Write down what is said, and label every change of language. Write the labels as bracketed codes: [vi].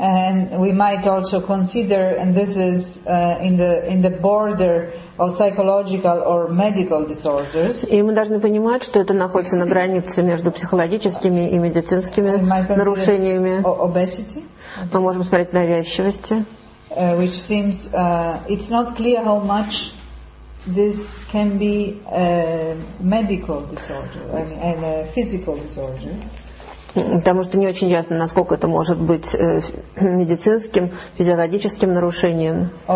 [en] And we might also consider, and this is in the border of psychological or medical disorders. [ru] И мы должны понимать, что это находится на границе между психологическими и медицинскими нарушениями. [en] Obesity. [ru] Мы можем смотреть на навязчивости. [en] Which seems it's not clear how much this can be a medical disorder and a physical disorder. [ru] Потому что не очень ясно, насколько это может быть медицинским, физиологическим нарушением.